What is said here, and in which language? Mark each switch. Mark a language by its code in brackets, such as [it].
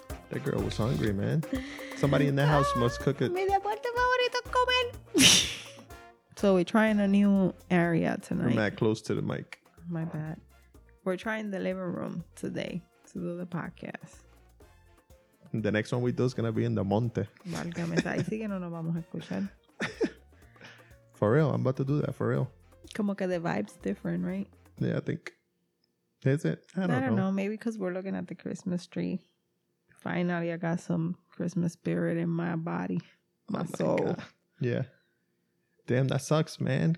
[en] That girl was hungry, man. Somebody in the house must cook it. [es] Mi deporte favorito es comer. [en] So we're trying a new area tonight. We're not close to the mic. My bad. We're trying the living room today to do the podcast. The next one we do is going to be in the monte. [es] Válgame, ahí sí que no nos vamos a escuchar. [en] For real, I'm about to do that, for real. [es] Como que [en] the vibe's different, right? Yeah, I think. Is it? I don't know. Maybe because we're looking at the Christmas tree. Finally, I got some Christmas spirit in my body, my soul. God. Yeah. Damn, that sucks, man.